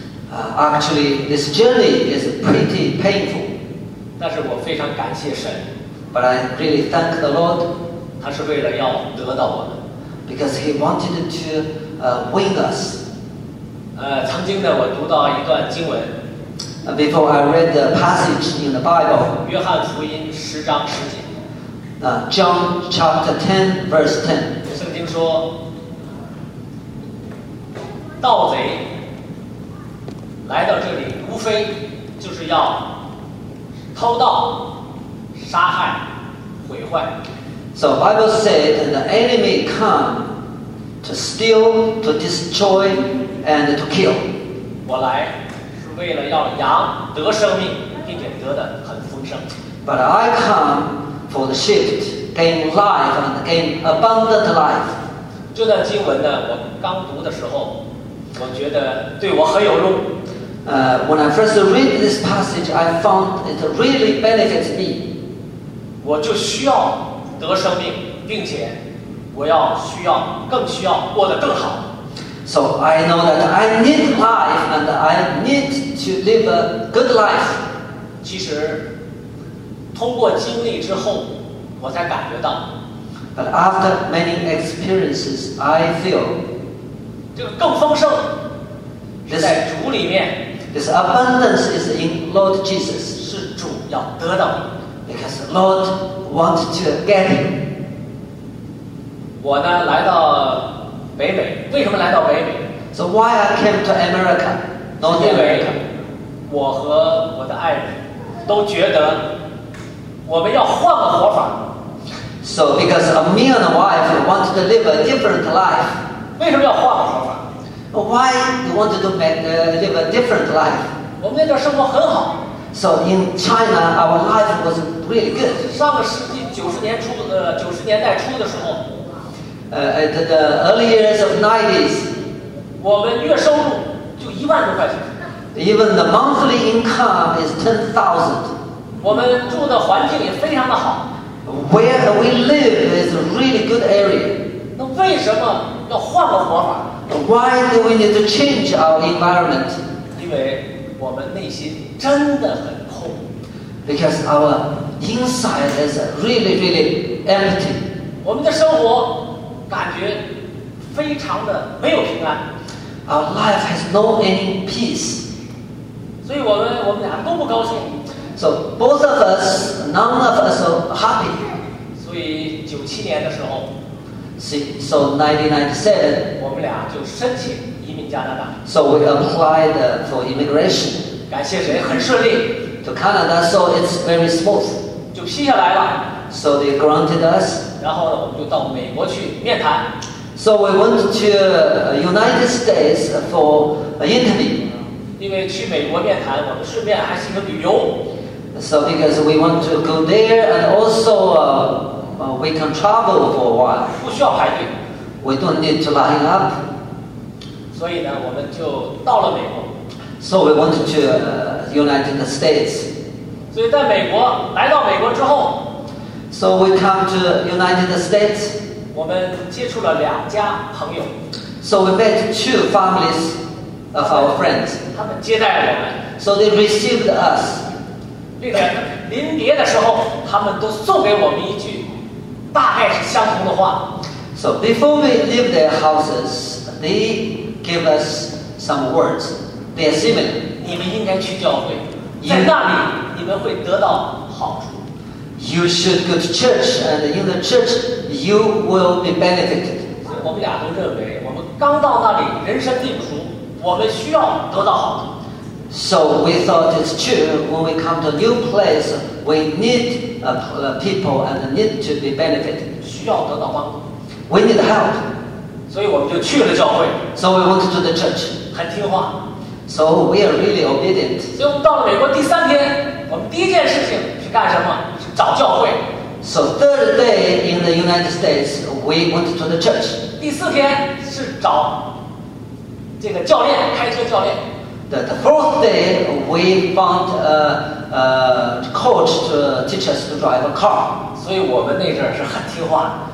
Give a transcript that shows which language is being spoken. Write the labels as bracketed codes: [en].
[en] Actually, this journey is pretty painful. [zh] 但是我非常感谢神。 [en] But I really thank the Lord. [zh] 他是为了要得到我们。 [en] Because he wanted to win us. [zh] 曾经呢，我读到一段经文。 [en] Before I read the passage in the Bible, [zh] 约翰福音十章十节。 [en] John chapter 10, verse 10. [zh] 圣经说，盗贼来到这里，无非就是要偷盗、杀害、毁坏。 [en] So Bible said the enemy come to steal, to destroy, and to kill. [zh] 我来是为了要羊得生命，并且得的很丰盛。 [en] But I come for the sheep gain life and gain abundant life. [zh] 这段经文呢，我刚读的时候，我觉得对我很有用。 [en] When I first read this passage, I found it really benefits me. [zh] 我就需要得生命，并且我要需要更需要过得更好。 [en] So I know that I need life and I need to live a good life. [zh] 其实通过经历之后，我才感觉到。 [en] But after many experiences, I feel [zh] 这个更丰盛是在主里面。 [en] This abundance is in Lord Jesus. [zh] 是主要得到。 [en] Because the Lord wants to get him. [zh] 我呢来到北美，为什么来到北美 [en] ？So why I came to America? [zh] 因为我和我的爱人都觉得我们要换个活法。 [en] So because a man and a wife want to live a different life. [zh] 为什么要换个活法？ [en] Why you want to live a different life? [zh] 我们那段生活很好。 [en] So in China, our life was really good. [zh] 上个世纪九十年代初的时候。 [en] At the early years of 90s. [zh] 我们月收入就一万多块钱。 [en] Even the monthly income is 10,000. [zh] 我们住的环境也非常的好。 [en] Where we live is a really good area. [zh] 那为什么要换个活法？ [en] Why do we need to change our environment? [zh] 因为我们内心真的很空。 [en] Because our inside is really, really empty. [zh] 我们的生活感觉非常的没有平安。 [en] Our life has no any peace. [zh] 所以我们俩都不高兴。 [en] So both of us, none of us are happy. [zh] 所以九七年的时候。 [en] So 1997, [zh] 我们俩就申请移民加拿大。 [en] So we applied for immigration. [zh] 感谢神，很顺利。 [en] To Canada, so it's very smooth. [zh] 就批下来了。 [en] So they granted us. [zh] 然后呢，我们就到美国去面谈。 [en] So we went to United States for an interview. [zh] 因为去美国面谈，我们顺便还是一个旅游。 [en] So because we want to go there and also. We can travel for a while. [zh] 不需要排队。 [en] We don't need to line up. [zh] 所以呢，我们就到了美国。 [en] So we went to United States. [zh] 所以在美国，来到美国之后。 [en] So we come to United States. [zh] 我们接触了两家朋友。 [en] So we met two families of our friends. [zh] 他们接待了我们。 [en] So they received us. [zh] 并且临别的时候，他们都送给我们一句。大概是相同的话。 [en] So before we leave their houses, they give us some words. They are similar. [zh] 你们应该去教会，在那里你们会得到好处。 [en] You should go to church, and in the church you will be benefited. [zh] 所以我们俩都认为，我们刚到那里，人生地不熟，我们需要得到好处。 [en] So we thought it's true. When we come to a new place, we need people and need to be benefited. [zh] 需要得到帮助。 [en] We need help. [zh] 所以我们就去了教会。 [en] So we went to the church. [zh] 很听话。 [en] So we are really obedient. [zh] 所以我们到了美国第三天，我们第一件事情是干什么？是找教会。 [en] So third day in the United States, we went to the church. [zh] 第四天是找这个教练，开车教练。 [en] The fourth day, we found a coach to teach us to drive a car. [zh] 所以我们那阵是很听话。